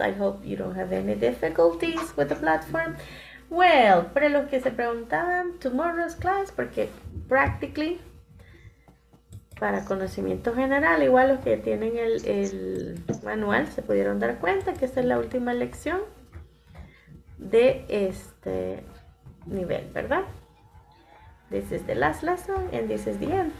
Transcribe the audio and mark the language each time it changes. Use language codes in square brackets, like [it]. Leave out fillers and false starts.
[en] I hope you don't have any difficulties with the platform. [es] Well, para los que se preguntaban, [en] tomorrow's class, [es] porque practically, para conocimiento general, igual los que tienen el manual se pudieron dar cuenta que esta es la última lección de este nivel, ¿verdad? [en] This is the last lesson and this is the end.